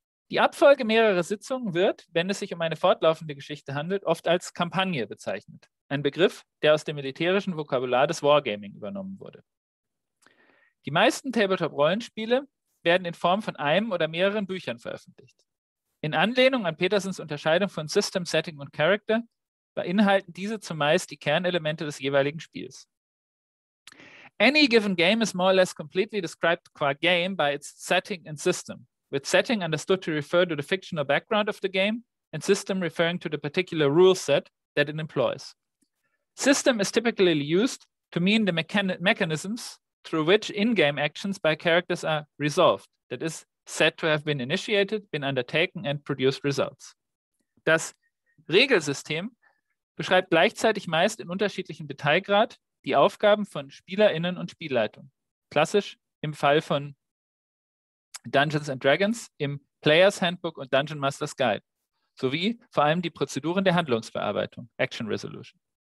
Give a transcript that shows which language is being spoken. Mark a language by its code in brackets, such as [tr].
[de] Die Abfolge mehrerer Sitzungen wird, wenn es sich um eine fortlaufende Geschichte handelt, oft als Kampagne bezeichnet, ein Begriff, der aus dem militärischen Vokabular des Wargaming übernommen wurde. Die meisten Tabletop-Rollenspiele werden in Form von einem oder mehreren Büchern veröffentlicht. In Anlehnung an Petersens Unterscheidung von System, Setting und Character beinhalten diese zumeist die Kernelemente des jeweiligen Spiels. [en] Any given game is more or less completely described qua game by its setting and system, with setting understood to refer to the fictional background of the game and system referring to the particular rule set that it employs. System is typically used to mean the mechanisms through which in-game actions by characters are resolved, that is, said to have been initiated, been undertaken and produced results. [de] Das Regelsystem beschreibt gleichzeitig meist in unterschiedlichem Detailgrad die Aufgaben von SpielerInnen und Spielleitung. Klassisch im Fall von Dungeons and Dragons, im Player's Handbook und Dungeon Master's Guide, sowie vor allem die Prozeduren der Handlungsbearbeitung, Action Resolution.